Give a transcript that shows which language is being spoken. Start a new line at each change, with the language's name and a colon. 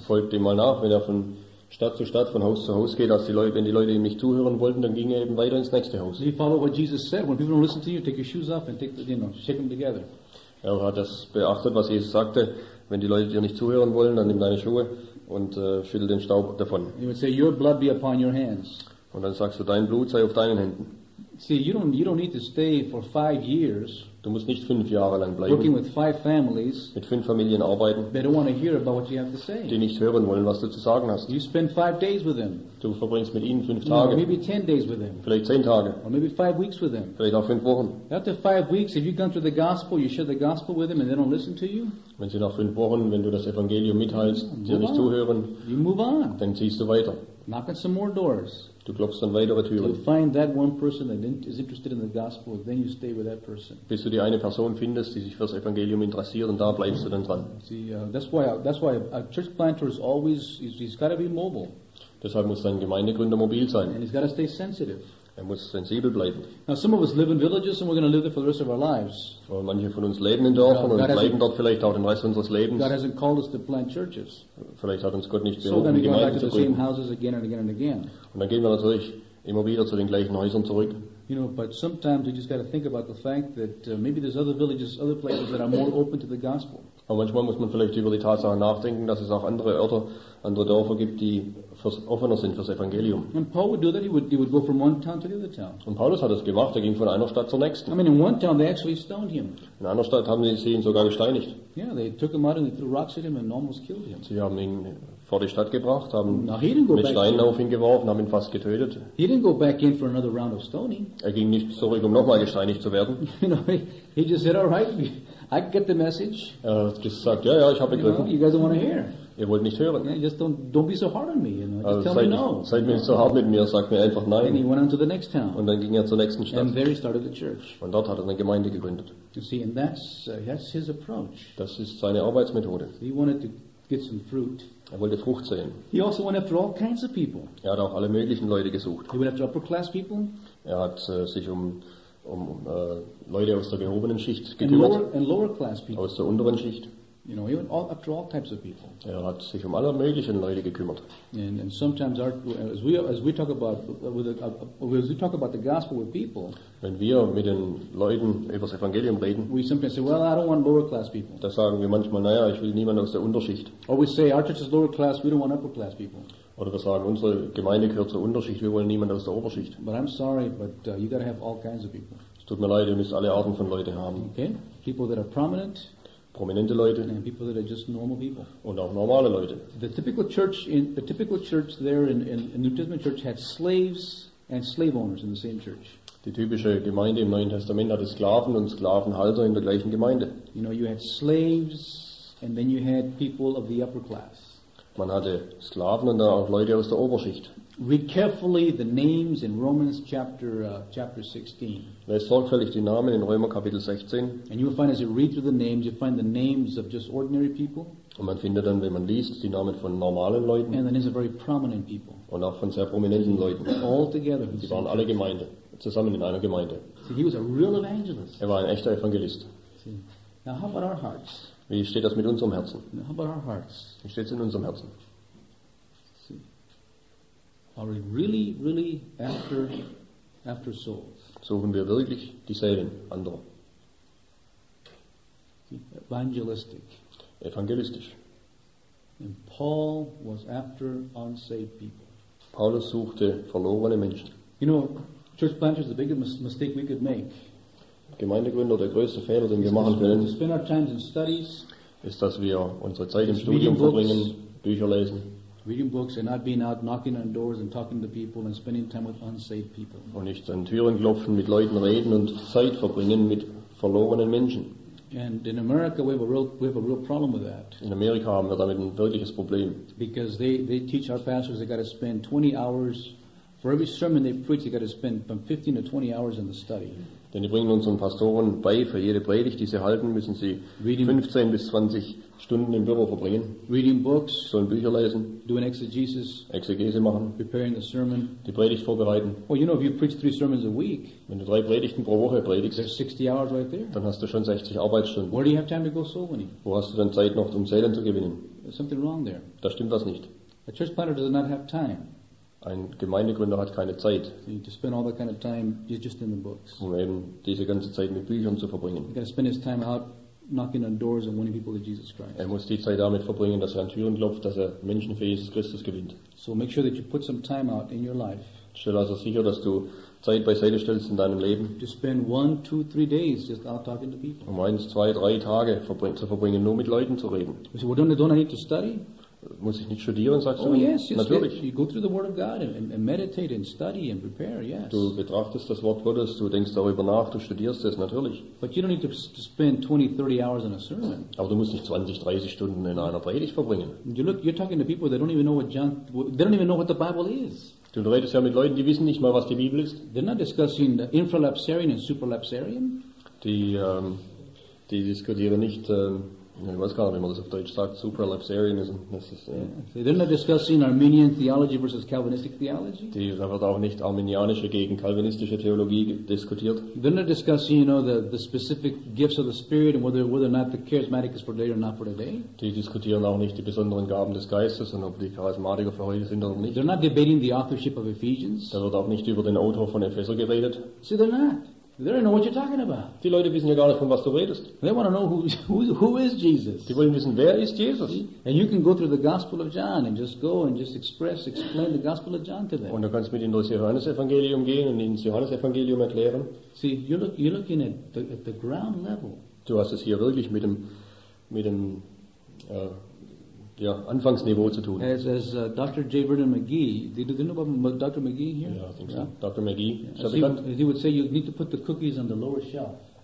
German: Folgt ihm mal nach, wenn er von Stadt zu Stadt, von Haus zu Haus geht, wenn die Leute ihm nicht zuhören wollten, dann ging er eben weiter ins nächste Haus.
English: He followed what Jesus said: when people don't listen to you, take your shoes off and shake them together.
German: Er hat das beachtet, was Jesus sagte: wenn die Leute dir nicht zuhören wollen, dann nimm deine Schuhe und schüttel den Staub davon.
English: He would say, your blood be upon your hands.
German: Und dann sagst du, dein Blut sei auf deinen Händen.
English: See, you don't need to stay for 5 years.
German: Du musst nicht 5 Jahre lang bleiben.
English: Working with 5 families.
German: Mit 5 Familien arbeiten.
English: They don't want to hear about what you have to say.
German: Die nicht hören wollen, was du zu sagen hast.
English: You spend 5 days with them.
German: Du verbringst mit ihnen 5 Tage.
English: No, maybe 10 days with them.
German: Vielleicht 10 Tage.
English: Or maybe 5 weeks with them.
German: Vielleicht auch 5 Wochen.
English: After 5 weeks, if you've gone through the gospel, you share the gospel with them, and they don't listen to you.
German: Wenn sie nach 5 Wochen, wenn du das Evangelium mitteilst, dir nicht zuhören,
English: you move on.
German: Dann ziehst du weiter.
English: Knock on some more doors.
German: Du klopfst an weitere Türen.
English: You find that one person that is interested in the gospel, then you stay with that person.
German: Bis du die eine Person findest, die sich fürs Evangelium interessiert, und da bleibst du dann dran.
English: See, that's why a church planter is always he's got to be mobile.
German: Deshalb muss dein Gemeindegründer mobil sein.
English: And he's got to stay sensitive.
German: Er muss sensibel bleiben.
English: Now some of us live in villages and we're going to live there for the rest of our lives.
German: Und manche von uns leben in Dörfern und bleiben dort vielleicht auch den Rest unseres Lebens.
English: God hasn't called us to plant churches.
German: Vielleicht hat uns Gott nicht berufen, die Gemeinden zu gründen.
English: So then we go back to the same houses again and again and again.
German: Und dann gehen wir natürlich immer wieder zu den gleichen Häusern zurück.
English: You know, but sometimes we just got to think about the fact that maybe there's other villages, other places that are more open to the gospel.
German: Aber manchmal muss man vielleicht über die Tatsache nachdenken, dass es auch andere Orte, andere Dörfer gibt, die offener sind fürs Evangelium.
English: And Paul would do that. He would go from one town to the other town.
German: Und Paulus hat das gemacht. Er ging von einer Stadt zur nächsten.
English: I mean, in one town they actually stoned him.
German: In einer Stadt haben sie ihn sogar gesteinigt.
English: Yeah, they took him out and they threw rocks at him and almost killed him.
German: Sie haben ihn vor die Stadt gebracht, haben mit Steinen auf ihn geworfen, haben ihn fast getötet.
English: He didn't go back in for another round of stoning.
German: Er ging nicht zurück, um nochmal gesteinigt zu werden.
English: You know, he just said, all right, I get the message.
German: Er hat gesagt, ja, ja, ich habe begriffen.
English: You guys don't want to hear.
German: Ihr wollt nicht hören.
English: Yeah, just don't be so hard on me. You know, just tell me no.
German: Seid nicht so hart mit mir, sagt mir einfach nein.
English: And he went on to the next town.
German: Und dann ging er zur nächsten Stadt.
English: And there he started the church.
German: Und dort hat er eine Gemeinde gegründet.
English: You see, and that's his approach.
German: Das ist seine Arbeitsmethode.
English: He wanted to get some fruit.
German: Er wollte Frucht sehen.
English: He also went after all kinds of people.
German: Er hat auch alle möglichen Leute gesucht.
English: He went after upper class people.
German: Er hat sich um Leute aus der gehobenen Schicht gekümmert.
English: And lower class people.
German: Aus der unteren Schicht.
English: You know, he went all, after all types of people.
German: Er hat sich um alle möglichen Leute gekümmert.
English: And sometimes as we talk about the gospel with people,
German: wenn wir mit den Leuten über das Evangelium reden,
English: we sometimes say, well, I don't want lower class people.
German: Da sagen wir manchmal, naja, ich will niemanden aus der Unterschicht.
English: Or we say, our church is lower class, we don't want upper class people.
German: Oder wir sagen, unsere Gemeinde gehört zur Unterschicht, wir wollen niemanden aus der Oberschicht.
English: But I'm sorry, but you gotta have all kinds of people.
German: Es tut mir leid, ihr müsst alle Arten von Leuten haben.
English: Okay, people that are prominent.
German: Prominente Leute.
English: And people that are just normal people.
German: Und auch normale Leute.
English: The typical church there in New Testament church had slaves and slave owners in the same church.
German: Die typische Gemeinde im Neuen Testament hatte Sklaven und Sklavenhalter in der gleichen Gemeinde.
English: You know, you had slaves and then you had people of the upper class.
German: Man hatte Sklaven und dann auch Leute aus der Oberschicht.
English: Read carefully the names in Romans chapter 16.
German: Lest sorgfältig die Namen in Römer Kapitel 16.
English: And you will find, as you read through the names, you find the names of just ordinary people.
German: Und man findet dann, wenn man liest, die Namen von normalen Leuten.
English: And the names of very prominent people.
German: Und auch von sehr prominenten Leuten.
English: All together.
German: Sie waren alle Gemeinde, zusammen in einer Gemeinde.
English: See, he was a real evangelist.
German: Er war ein echter Evangelist.
English: See. Now how about our hearts?
German: Wie steht das mit unserem Herzen?
English: Now how about our hearts?
German: Wie steht es in unserem Herzen?
English: Are we really, really after souls?
German: Suchen wir wirklich die Seelen anderer?
English: Evangelistic.
German: Evangelistisch.
English: And Paul was after unsaved people.
German: Paulus suchte verlorene Menschen.
English: You know, church planters, the biggest mistake we could make.
German: Gemeindegründer, der größte Fehler, den wir machen können,
English: to spend our time in studies,
German: ist, dass wir unsere Zeit im Studium verbringen, Bücher lesen.
English: Reading books and not being out knocking on doors and talking to people and spending time with unsaved people.
German: Und nicht an Türen klopfen, mit Leuten reden und Zeit verbringen mit verlorenen Menschen.
English: And in America we have a real problem with that.
German: In Amerika haben wir damit ein wirkliches Problem.
English: Because they teach our pastors they got to spend 20 hours for every sermon they preach, they got to spend from 15 to 20 hours in the study.
German: Denn die bringen unseren Pastoren bei, für jede Predigt, die sie halten, müssen sie 15 bis 20 Stunden im Büro verbringen.
English: Reading books,
German: sollen Bücher lesen.
English: Doing exegesis,
German: Exegese machen.
English: Preparing the sermon,
German: die Predigt vorbereiten.
English: Well, you know, if you preach 3 sermons a week,
German: wenn du 3 Predigten pro Woche predigst,
English: there's 60 hours right there.
German: Dann hast du schon 60 Arbeitsstunden.
English: Where do you have time to go soul winning?
German: Wo hast du dann Zeit noch, um Seelen zu gewinnen?
English: There's something wrong there.
German: Da stimmt was nicht.
English: A church planter does not have time.
German: Ein Gemeindegründer hat keine Zeit,
English: spend all that kind of time just in the books.
German: Um eben diese ganze Zeit mit Büchern zu verbringen.
English: He can spend his time out knocking on doors and winning people to Jesus Christ.
German: Er muss die Zeit damit verbringen, dass er an Türen klopft, dass er Menschen für Jesus Christus gewinnt.
English: So make sure that you put some time out in your life.
German: Stell also sicher, dass du Zeit beiseite stellst in deinem Leben.
English: To spend 1, 2, 3 days just out talking to people.
German: Um 1, 2, 3 Tage zu verbringen, nur mit Leuten zu reden.
English: You say, well, don't I need to study?
German: Muss ich nicht studieren, sagst du?
English: Oh, yes,
German: natürlich.
English: You go through the Word of God and meditate and study and prepare, yes.
German: Du betrachtest das Wort Gottes, du denkst darüber nach, du studierst es, natürlich.
English: But you don't need to spend 20, 30 hours in a sermon.
German: Aber du musst nicht 20, 30 Stunden in einer Predigt verbringen.
English: You're talking to people that don't even know what John, they don't even know what the Bible is.
German: Du redest ja mit Leuten, die wissen nicht mal, was die Bibel ist.
English: They're not discussing the infralapsarian and superlapsarian.
German: Die diskutieren nicht Ja, ich weiß gar nicht, wie man das auf Deutsch sagt, Supralapsarianism. Das ist,
English: They're not discussing Arminian theology versus Calvinistic theology.
German: Da wird auch nicht arminianische gegen calvinistische Theologie diskutiert.
English: They're not discussing, you know, the specific gifts of the Spirit and whether or not the charismatic is for today or not for today.
German: Die diskutieren auch nicht die besonderen Gaben des Geistes und ob die Charismatiker für heute sind oder nicht.
English: They're not debating the authorship of Ephesians.
German: Da wird auch nicht über den Autor von Epheser geredet.
English: See, they're not. They don't know what you're talking about.
German: Die Leute wissen ja gar nicht, von was du redest.
English: They want to know who is Jesus.
German: Die wollen wissen, wer ist Jesus.
English: And you can go through the Gospel of John and just go and just explain the Gospel of John to them.
German: Und du kannst mit ihnen durch das Johannesevangelium gehen und ihnen das Johannesevangelium erklären.
English: See, you're looking at the ground level.
German: Du hast es hier wirklich mit dem Anfangsniveau zu tun.
English: As Dr. J. Vernon McGee, do you know about Dr. McGee here? Yeah, I think so. Dr. McGee. As he would say, you need to put the cookies on the lower shelf.